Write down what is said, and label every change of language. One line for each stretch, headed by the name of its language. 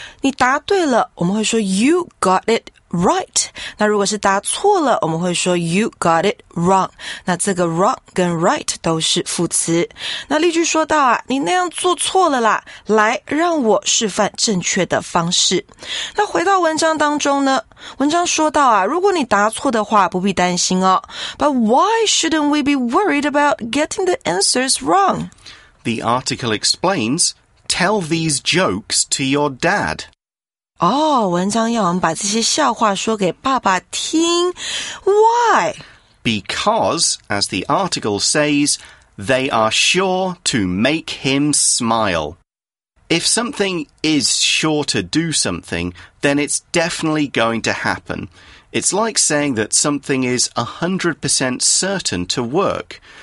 Chinese: 你答对了我们会说
English: you got it right
Chinese: 那如果是答错了我们会说
English: you got it wrong
Chinese: 那这个 wrong 跟 right 都是副词那例句说到啊你那样做错了啦来让我示范正确的方式那回到文章当中呢文章说到啊如果你答错的话不必担心哦
English: But why shouldn't we be worried about getting the answers wrong? The article explains Tell these jokes to your dad
Chinese: Oh, 文章要我们把这些笑话说给爸爸听。
English: Why? Because, as the article says, they are sure to make him smile. If something is sure to do something, then it's definitely going to happen. It's like saying that something is 100% certain to work.